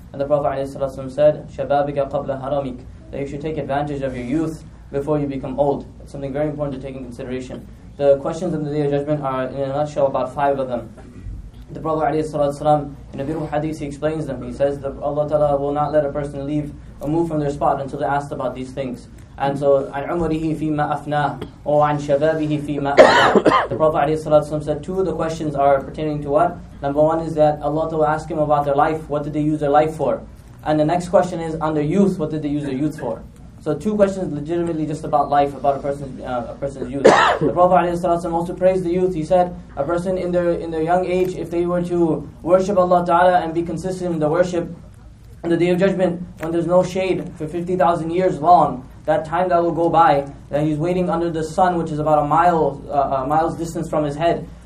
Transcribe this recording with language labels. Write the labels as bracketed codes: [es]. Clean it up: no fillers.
[en] And the Prophet ﷺ said, [ar] "Shababika qabla haramik," [en] that you should take advantage of your youth before you become old. It's something very important to take in consideration. The questions of the Day of Judgment are, in a nutshell, about five of them. The Prophet ﷺ, in a beautiful hadith, he explains them. He says that Allah Ta'ala will not let a person leave or move from their spot until they're asked about these things. [ar] And so, عَنْ عُمْرِهِ فِي مَا أَفْنَاهُ وَعَنْ شَبَابِهِ فِي مَا أَفْنَاهُ. [en] The Prophet ﷺ said two of the questions are pertaining to what? Number one is that Allah Ta'ala will ask him about their life. What did they use their life for? And the next question is, on their youth, what did they use their youth for? So two questions legitimately just about life, about a person's youth. The Prophet ﷺ also praised the youth. He said, a person in their young age, if they were to worship Allah Ta'ala and be consistent in the worship, on the Day of Judgment, when there's no shade for 50,000 years long, that time that will go by, that he's waiting under the sun, which is about a mile's distance from his head.